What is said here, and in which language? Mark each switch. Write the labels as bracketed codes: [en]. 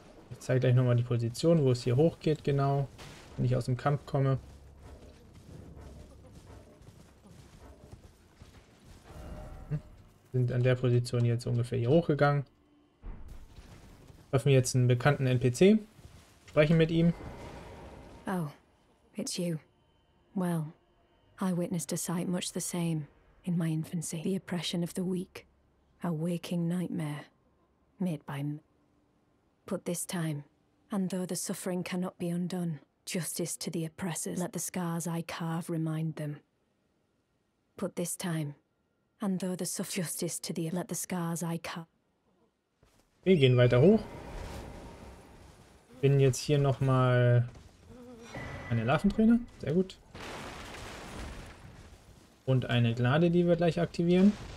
[de] Ich zeige gleich nochmal die Position, wo es hier hochgeht, genau, wenn ich aus dem Kampf komme. Sind an der Position jetzt ungefähr hier hochgegangen. Treffen jetzt einen bekannten NPC, sprechen mit ihm. [en] Oh, it's you. Well, I witnessed a sight much the same. In my infancy, the oppression of the weak, a waking nightmare, made by me. But this time, and though the suffering cannot be undone, justice to the oppressors, let the scars I carve remind them. But this time, and though the suffering, justice to the, let the scars I carve. [de] Wir gehen weiter hoch. Bin jetzt hier noch mal eine Larventrainer. Sehr gut. Und eine Gnade, die wir gleich aktivieren.